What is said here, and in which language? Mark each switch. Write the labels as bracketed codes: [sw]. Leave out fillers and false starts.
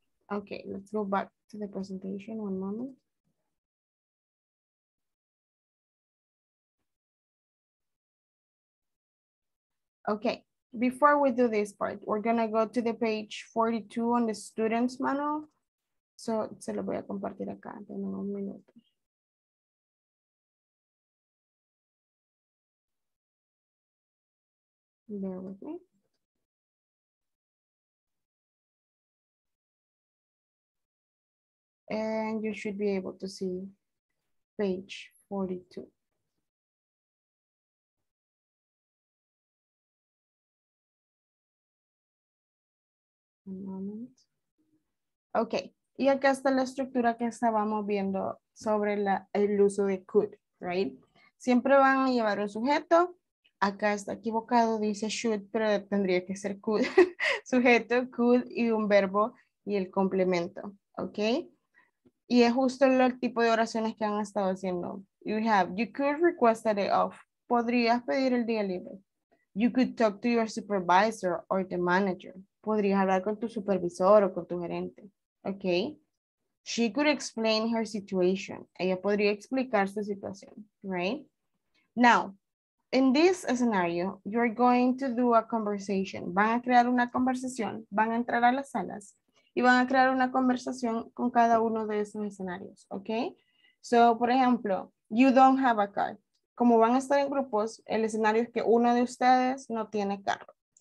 [en] Okay, let's go back to the presentation one moment. Okay, before we do this part, we're gonna go to the page 42 on the student's manual. [es] So, se lo voy a compartir acá, tengo un minuto. [en] Bear with me. And you should be able to see page 42. A moment. Okay. [es] Y acá está la estructura que estábamos viendo sobre la, el uso de could, right? Siempre van a llevar un sujeto. Acá está equivocado, dice should, pero tendría que ser could. Sujeto, could y un verbo y el complemento, okay? Y es justo el tipo de oraciones que han estado haciendo. [en] You have, you could request a day off. [es] Podrías pedir el día libre. [en] You could talk to your supervisor or the manager. [es] Podrías hablar con tu supervisor o con tu gerente. [en] Okay, she could explain her situation. [es] Ella podría explicar su situación, right? [en] Now, in this scenario, you're going to do a conversation. [es] Van a crear una conversación, van a entrar a las salas y van a crear una conversación con cada uno de esos escenarios, okay? So, por ejemplo, [en] you don't have a car. [es] Como van a estar en grupos, el escenario es que uno de ustedes no tiene carro.